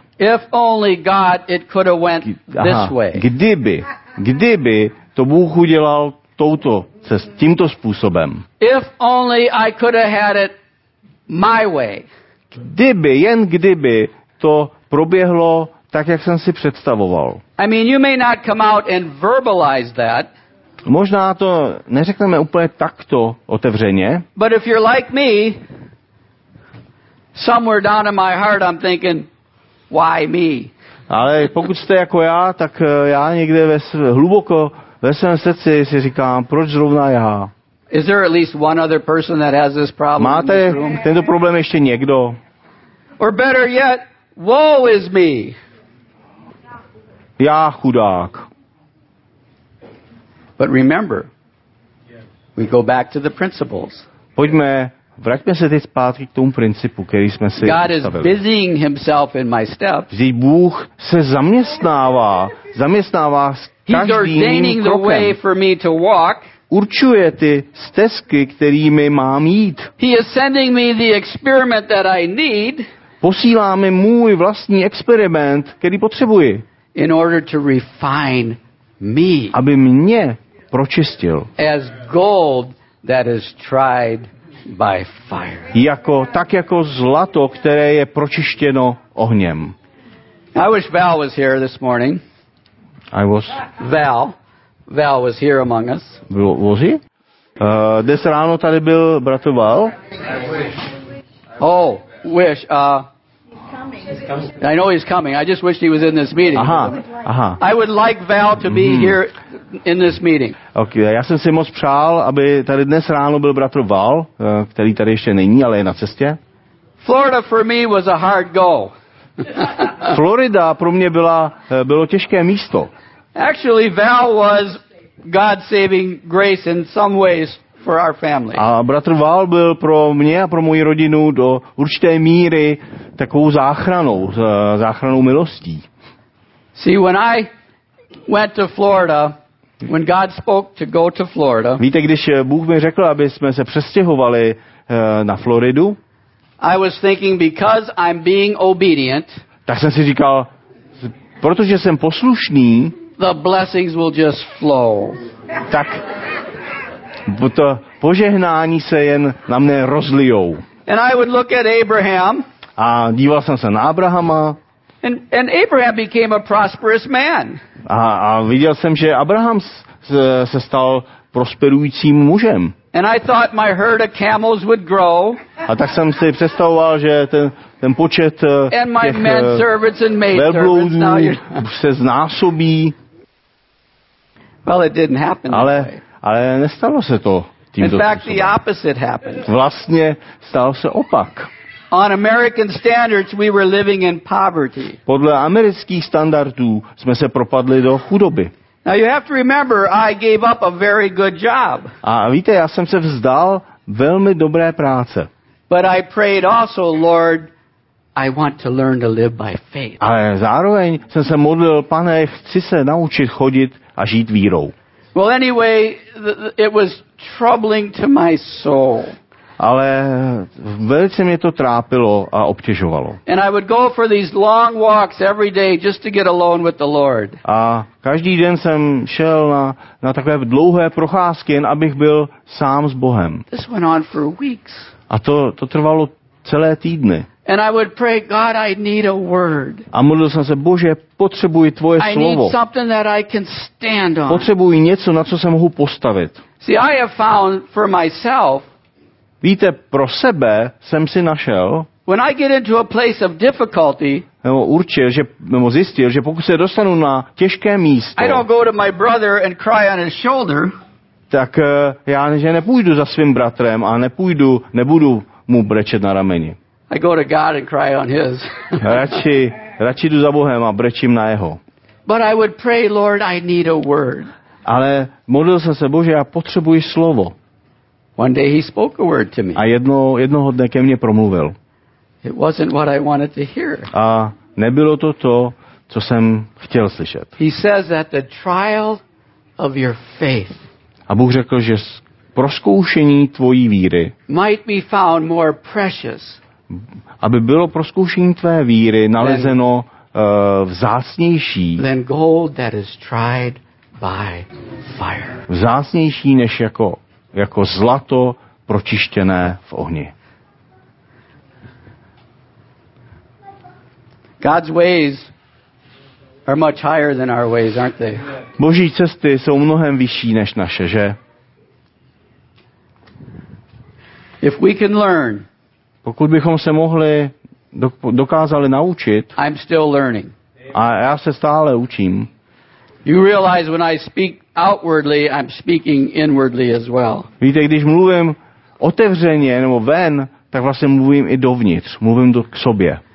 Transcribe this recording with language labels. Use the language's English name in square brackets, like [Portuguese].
[English] If only God, it could have went this way. [Czech] Kdyby to Bůh udělal tímto způsobem. [English] If only I could have had it my way. [Czech] Kdyby to proběhlo tak, jak jsem si představoval. [English] I mean, you may not come out and verbalize that. [Czech] Možná to neřekneme úplně takto otevřeně. [English] But if you're like me, somewhere down in my heart I'm thinking, why me? [Czech] Ale pokud jste jako já, tak já někde hluboko ve svém srdci si říkám, proč zrovna já? [English] Is there at least one other person that has this problem? [Czech] Máte tento problém ještě někdo? [English] Or better yet, woe is me. [Czech] Já chudák. [English] But remember, we go back to the principles. [Czech] Vraťme se teď zpátky k tomu principu, který jsme si God stavili. [English] Is busying himself in my steps. [Czech] Bůh se zaměstnává s každým krokem. [English] He's ordaining the way for me to walk. [Czech] Určuje ty stezky, kterými mám jít. [English] He is sending me the experiment that I need. [Czech] Posílá mi můj vlastní experiment, který potřebuji. [English] In order to refine me. [Czech] Aby mě pročistil. [English] As gold that is tried by fire. [Czech] Tak jako zlato, které je pročištěno ohněm. [English] I wish Val was here this morning. I was. Val was here among us. Was he? [Czech] Dnes ráno tady byl bratr Val. [English] Oh, wish. I know he's coming. I just wish he was in this meeting. Aha. I would like Val to be here in this meeting. [Czech] Okay, já jsem si moc přál, aby tady dnes ráno byl bratr Val, který tady ještě není, ale je na cestě. [English] Florida for me was a hard go. [Czech] Florida pro mě bylo těžké místo. [English] Actually, Val was God's saving grace in some ways. For our family. [Czech] A bratr Val byl pro mě a pro moji rodinu do určité míry takovou záchranou milostí. [English] See, when I went to Florida, when God spoke to go to Florida. [Czech] Víte, když Bůh mi řekl, aby jsme se přestěhovali na Floridu? [English] I was thinking because I'm being obedient. [Czech] Tak jsem si říkal, protože jsem poslušný, [English] the blessings will just flow. [Czech] Tak to požehnání se jen na mne rozlijou. [English] And I would look at Abraham. [Czech] A díval jsem se na Abrahama. [English] And Abraham became a prosperous man. [Czech] A viděl jsem, že Abraham se stal prosperujícím mužem. [English] And I thought my herd of camels would grow. [Czech] A tak jsem si představoval, že ten počet [English] and my [Czech] těch [English] men servants and maid servants [Czech] se znásobí. [English] Well, it didn't happen. [Czech] Ale nestalo se to tímto způsobem. [English] In fact, the opposite happened. [Czech] Vlastně stalo se opak. [English] On American standards, we were living in poverty. [Czech] Podle amerických standardů jsme se propadli do chudoby. [English] Now you have to remember, I gave up a very good job. [Czech] A víte, já jsem se vzdal velmi dobré práce. [English] But I prayed also, Lord, I want to learn to live by faith. [Czech] A zároveň jsem se modlil, Pane, chci se naučit chodit a žít vírou. [English] Well, anyway, it was troubling to my soul. [Czech] Ale velice mě to trápilo a obtěžovalo. [English] And I would go for these long walks every day just to get alone with the Lord. [Czech] A každý den jsem šel na takové dlouhé procházky, jen abych byl sám s Bohem. [English] This went on for weeks. [Czech] A to trvalo celé týdny. [English] And I would pray, God, I need a word. [Czech] A modlil jsem se, Bože, potřebuji tvoje slovo. [English] I need something that I can stand on. [Czech] Potřebuji něco, na co se mohu postavit. [English] See, I have found for myself. [Czech] Víte, pro sebe jsem si našel. [English] When I get into a place of difficulty. [Czech] Zjistil, že pokud se dostanu na těžké místo. [English] I don't go to my brother and cry on his shoulder. [Czech] Tak já že nepůjdu za svým bratrem a nebudu mu brečet na rameni. [English] I go to God and cry on his. [Czech] Radši jdu za Bohem a brečím na jeho. [English] But I would pray, Lord, I need a word. [Czech] Ale modlil jsem se, Bože, já potřebuji slovo. [English] One day he spoke a word to me. [Czech] A jednoho dne ke mně promluvil. [English] It wasn't what I wanted to hear. [Czech] A nebylo to, co jsem chtěl slyšet. [English] He says that the trial of your faith. [Czech] A Bůh řekl, že prozkoušení tvojí víry [English] might be found more precious. [Czech] Aby bylo prozkoušení tvé víry nalezeno vzácnější. [English] Than gold that is tried by fire. [Czech] Vzácnější než jako zlato pročištěné v ohni. [English] God's ways are much higher than our ways, aren't they? [Czech] Boží cesty jsou mnohem vyšší než naše, že? [English] If we can learn. [Czech] Pokud bychom se mohli dokázali naučit. [English] I'm still learning. [Czech] A já se stále učím. [English] You realize when I speak outwardly, I'm speaking inwardly as well. [Czech] Víte, když mluvím otevřeně nebo ven, tak vlastně mluvím i dovnitř, mluvím k sobě.